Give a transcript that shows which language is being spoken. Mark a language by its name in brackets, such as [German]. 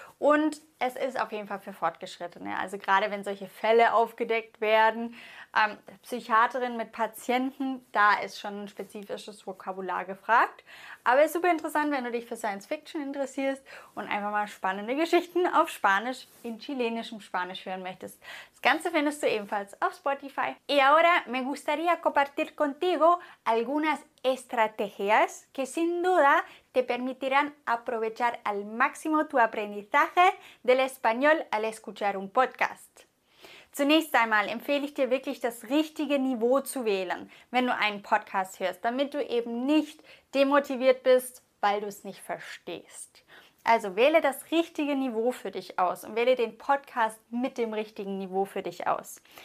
[German] Und es ist auf jeden Fall für Fortgeschrittene. Also gerade wenn solche Fälle aufgedeckt werden, Psychiaterin mit Patienten, da ist schon ein spezifisches Vokabular gefragt. Aber es ist super interessant, wenn du dich für Science Fiction interessierst und einfach mal spannende Geschichten auf Spanisch, in chilenischem Spanisch hören möchtest. Das Ganze findest du ebenfalls auf Spotify. [Spanish] Y ahora me gustaría compartir contigo algunas estrategias que sin duda te permitirán aprovechar al máximo tu aprendizaje del español al escuchar un podcast. [German] Zunächst einmal empfehle ich dir wirklich, das richtige Niveau zu wählen, wenn du einen Podcast hörst, damit du eben nicht demotiviert bist, weil du es nicht verstehst. Also wähle das richtige Niveau für dich aus und wähle den Podcast mit dem richtigen Niveau für dich aus.